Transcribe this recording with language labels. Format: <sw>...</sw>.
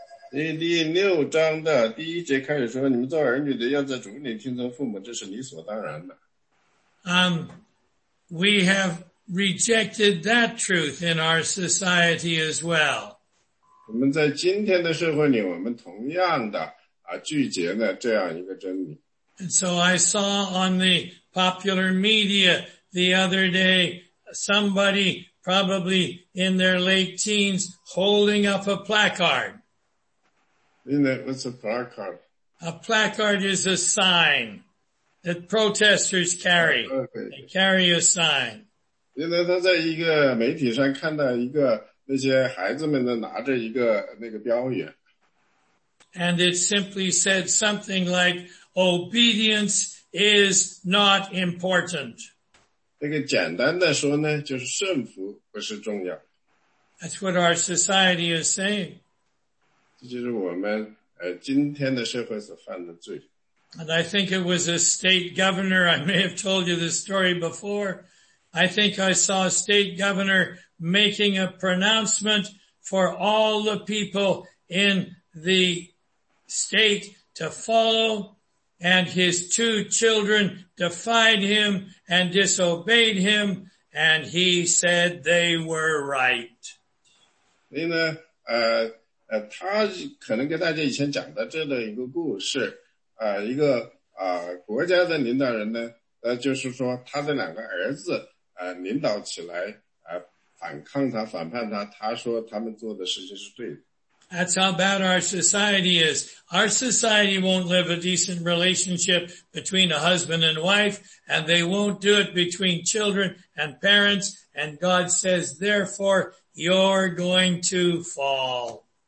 <zh>所以第六章的第一节开始说你们做儿女的要在主里听从父母这是理所当然的。</zh> <en>We have rejected that truth in our society as well.</en> <zh>我们在今天的社会里我们同样的拒绝了这样一个真理。</zh> <en>And so I saw on the popular media the other day somebody probably in their late teens holding up a placard. What's a placard? A placard is a sign that protesters carry. Okay. They carry a sign.</en> <zh>因为他在一个媒体上看到一个那些孩子们呢拿着一个那个标语。</zh> <en>And it simply said something like, obedience is not important.</en> <zh>那个简单的说呢就是顺服不是重要。</zh> <en>That's what our society is saying.</en> <zh>这就是我们今天的社会所犯的罪。</zh> <en>And I think it was a state governor, I may have told you this story before, I think I saw a state governor making a pronouncement for all the people in the state to follow, and his two children defied him and disobeyed him, and he said they were right.</en> <zh>所以呢，他可能跟大家以前讲的这样一个故事，一个国家的领导人呢，就是说他的两个儿子领导起来反抗他反叛他，他说他们做的事情是对的。</zh> <en>That's how bad our society is. Our society won't live a decent relationship between a husband and wife, and they won't do it between children and parents, and God says, therefore, you're going to fall.</en>